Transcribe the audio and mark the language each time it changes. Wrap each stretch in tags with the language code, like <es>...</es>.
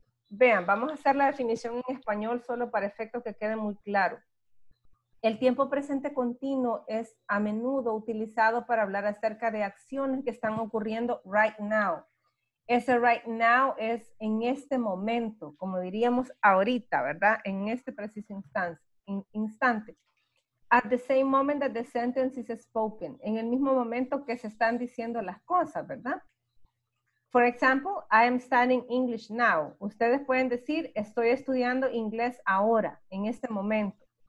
<es>Vean, vamos a hacer la definición en español solo para efecto que quede muy claro. El tiempo presente continuo es a menudo utilizado para hablar acerca de acciones que están ocurriendo</es> <en>right now.</en> <es>Ese</es> <en>right now</en> <es>es en este momento, como diríamos ahorita, ¿verdad? En este preciso instante. Instante.</es> <en>At the same moment that the sentence is spoken.</en> <es>En el mismo momento que se están diciendo las cosas, ¿verdad?</es> <en>For example, I am studying English now.</en> <es>Ustedes pueden decir, estoy estudiando inglés ahora, en este momento.</es>